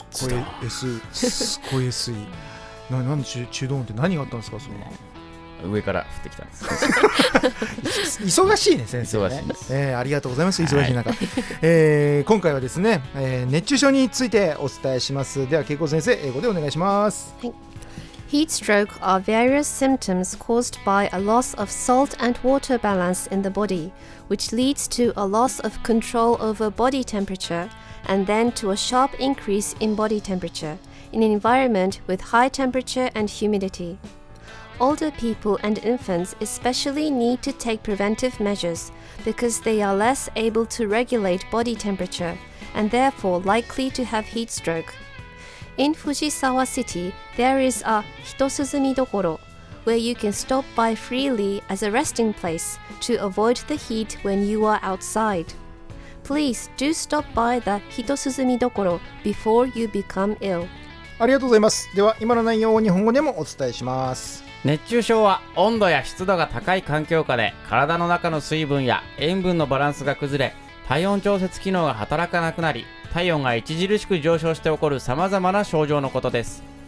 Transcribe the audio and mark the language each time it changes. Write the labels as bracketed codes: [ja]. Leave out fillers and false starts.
[ja] すっごい中道音って何があったんですか。そんな上から降ってきたんです。忙しいね先生ね。忙しいです、ありがとうございます。忙しい中、はい、今回はですね、熱中症についてお伝えします。では恵子先生、英語でお願いします。 [en] はい。 Heat stroke are various symptoms caused by a loss of salt and water balance in the body, which leads to a loss of control over body temperature and then to a sharp increase in body temperature in an environment with high temperature and humidityOlder people and infants especially need to take preventive measures because they are less able to regulate body temperature and therefore likely to have heat stroke. In Fujisawa City, there is a Hitosuzumidokoro where you can stop by freely as a resting place to avoid the heat when you are outside. Please do stop by the Hitosuzumidokoro before you become ill. [ja] ありがとうございます。では今の内容を日本語でもお伝えします。熱中症は温度や湿度が高い環境下で体の中の水分や塩分のバランスが崩れ、体温調節機能が働かなくなり、体温が著しく上昇して起こる様々な症状のことです。